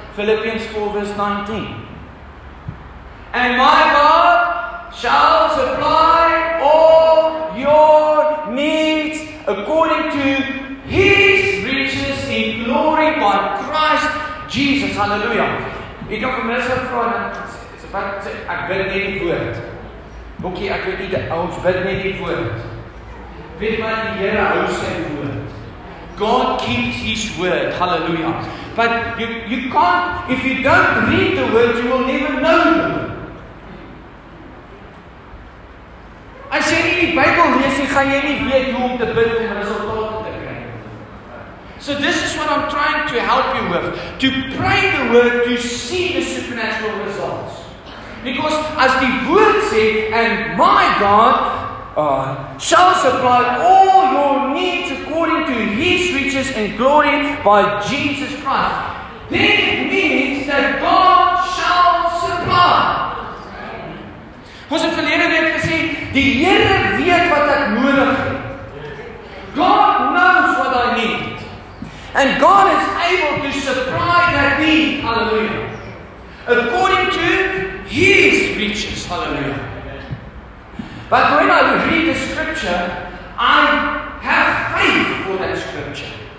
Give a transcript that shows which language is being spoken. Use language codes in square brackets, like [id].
[en] Philippians 4 verse 19. And my God shall supply all your needs according to His riches in glory by Christ Jesus. Hallelujah. [af] Ek het vir mense gevra dat is wat ek bid net die woord. Okay, ek weet nie dat ons bid net die woord. Weet wat die Here hou sy woord. [en] God keeps His word. Hallelujah. But you can't, if you don't read the word, you will never know. [af] As jy nie die Bybel lees nie, gaan jy nie weet hoe om te bid om resultate te kry. [en] So this is what I'm trying to help you with. To pray the word to see the supernatural results. Because as [af] die woord sê, [en] and my God shall supply all your needs according to His riches and glory by Jesus Christ. This means that God shall supply. [af] Ons het verlede week gesê, die Here weet wat ek nodig het. [en] God knows what I need. And God is able to supply that need, hallelujah, according to His riches, hallelujah. But when I read the scripture, I have faith for that scripture.